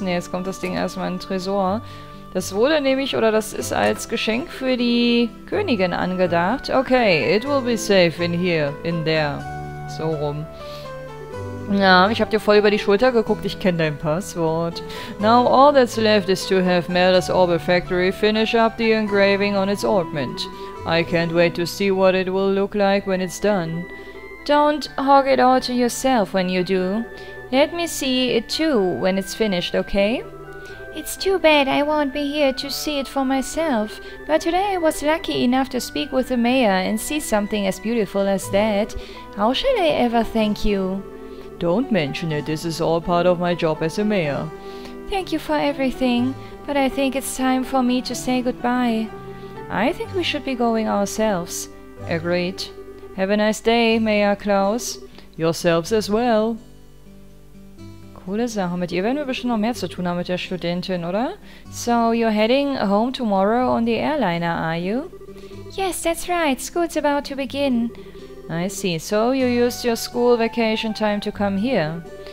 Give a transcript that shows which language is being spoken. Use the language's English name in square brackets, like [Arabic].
[German] Ne, jetzt kommt das Ding erstmal in den Tresor. Das wurde nämlich, oder das ist als Geschenk für die Königin angedacht. [English] Okay, it will be safe in here, in there. [German] So rum. Ja, ich habe dir voll über die Schulter geguckt, ich kenne dein Passwort. [English] Now all that's left is to have Melda's Orbit Factory finish up the engraving on its ornament. I can't wait to see what it will look like when it's done. Don't hog it all to yourself when you do. Let me see it too when it's finished, okay? It's too bad I won't be here to see it for myself, but today I was lucky enough to speak with the mayor and see something as beautiful as that. How shall I ever thank you? Don't mention it, this is all part of my job as a mayor. Thank you for everything, but I think it's time for me to say goodbye. I think we should be going ourselves. Agreed. Have a nice day, Mayor Klaus. Yourselves as well. [German] Coole Sache. Mit ihr werden wir bestimmt noch mehr zu tun haben, mit der Studentin, oder? [English] So, you're heading home tomorrow on the airliner, are you? Yes, that's right. School's about to begin. I see. So, you used your school vacation time to come here.